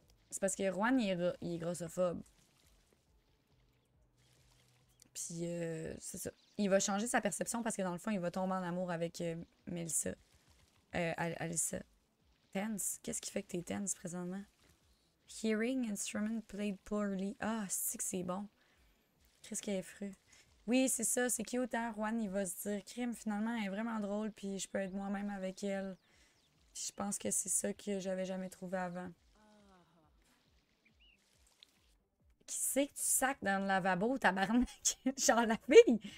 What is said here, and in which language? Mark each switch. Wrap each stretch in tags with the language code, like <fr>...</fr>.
<fr>C'est parce que Juan, il est grossophobe. Puis, c'est ça. Il va changer sa perception parce que, dans le fond, il va tomber en amour avec Melissa. Alissa. Tense. Qu'est-ce qui fait que t'es tense présentement?</fr> <en>Hearing instrument played poorly.</en> <fr>Ah, c'est que c'est bon. Qu'est-ce qu'elle est fru? Oui, c'est ça. C'est cute, hein? Juan, il va se dire, crime, finalement, elle est vraiment drôle. Puis, je peux être moi-même avec elle. Puis, je pense que c'est ça que j'avais jamais trouvé avant. Qui c'est que tu sacs dans le lavabo, tabarnak? Genre la fille!</fr>